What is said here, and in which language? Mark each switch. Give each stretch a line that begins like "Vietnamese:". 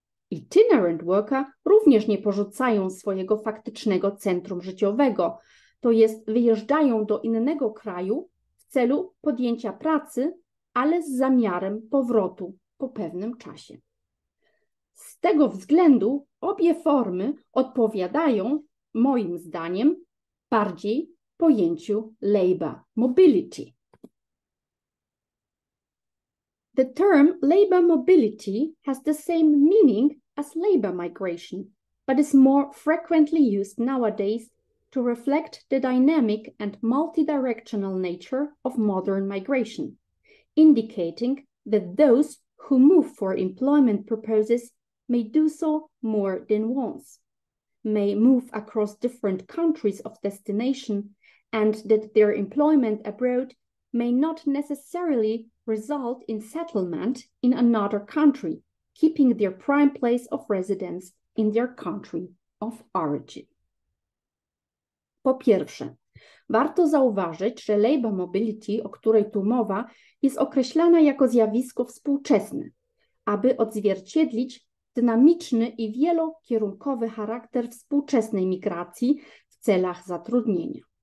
Polish: Itinerant worker również nie porzucają swojego faktycznego centrum życiowego, to jest wyjeżdżają do innego kraju w celu podjęcia pracy, ale z zamiarem powrotu po pewnym czasie. Z tego względu obie formy odpowiadają, moim zdaniem, bardziej pojęciu labor mobility.
English: The term labor mobility has the same meaning as labor migration, but is more frequently used nowadays to reflect the dynamic and multidirectional nature of modern migration, indicating that those who move for employment purposes may do so more than once, may move across different countries of destination, and that their employment abroad may not necessarily result in settlement in another country, keeping their prime place of residence in their country of origin.
Polish: Po pierwsze, warto zauważyć, że labor mobility, o której tu mowa, jest określana jako zjawisko współczesne, aby odzwierciedlić dynamiczny i wielokierunkowy charakter współczesnej migracji w celach zatrudnienia.